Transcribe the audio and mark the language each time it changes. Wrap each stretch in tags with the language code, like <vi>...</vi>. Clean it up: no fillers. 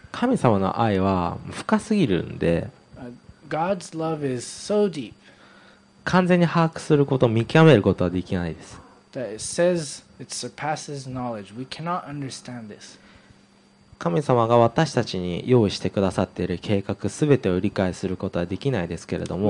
<ja>神様の愛は深すぎるんで</ja> <en>God's love is so deep.</en> <ja>完全に把握すること見極めることはできないです</ja> <en>That it says it surpasses knowledge. We cannot understand this.</en> <ja>神様が私たちに用意してくださっている計画すべてを理解することはできないですけれども</ja>